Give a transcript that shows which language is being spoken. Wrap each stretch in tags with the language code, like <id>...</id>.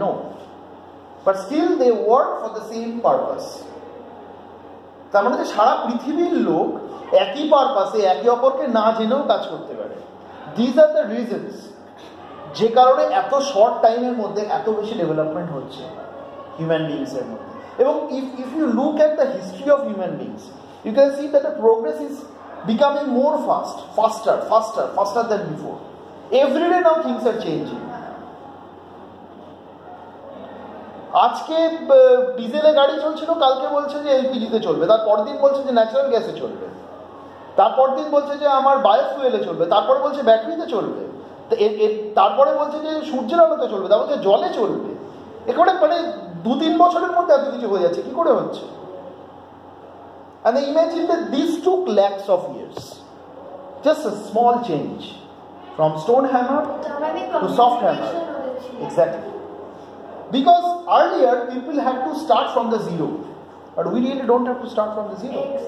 <en>No, but still they work for the same purpose.</en> <bn>তার মানে সারা পৃথিবীর লোক একই পারপাসে একে অপরকে না জেনেও কাজ করতে পারে.</bn> <en>these are the reasons</en> <bn>যে কারণে এত শর্ট টাইমের মধ্যে এত বেশি ডেভেলপমেন্ট হচ্ছে হিউম্যান বিইংসের মধ্যে.</bn> <en>Even if you look at the history of human beings, you can see that the progress is becoming more fast, faster, faster, faster than before. Every day now things are changing.</en> <bn>আজকে ডিজেলে গাড়ি চলছিল, কালকে বলছে যে এলপিজিতে চলবে, তারপর দিন বলছে যে ন্যাচারাল গ্যাসে চলবে, তারপর দিন বলছে যে আমার বায়োফুয়েলে চলবে, তারপর বলছে ব্যাটারিতে চলবে, তারপরে বলছে যে সূর্যের আলোতে চলবে, তারপর বলছে জলে চলবে. এখানে মানে দু তিন বছরের মধ্যে এত কিছু হয়ে যাচ্ছে, কি করে হচ্ছে?</bn> <en>And imagine that this took lakhs of years. Just a small change from stone hammer to soft hammer. Exactly. Because earlier people had to start from the zero. But we really don't have to start from the zero.</en>